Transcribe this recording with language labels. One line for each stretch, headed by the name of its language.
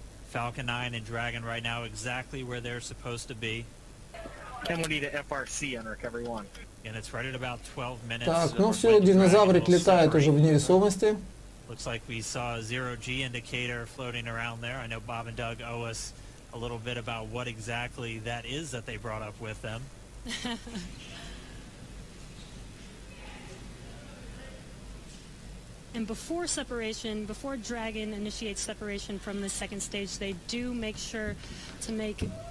English: Falcon 9 and Dragon right now exactly where they're supposed to be. Penalty to FRC on recovery one. And it's right at about 12 minutes.
Russian: Так, ну все, динозаврик летает уже в невесомости.
English: Looks like we saw a zero G indicator floating around there. I know Bob and Doug owe us a little bit about what exactly that is that they brought up with them. And before separation, before Dragon initiates separation from the second stage, they do make sure to make.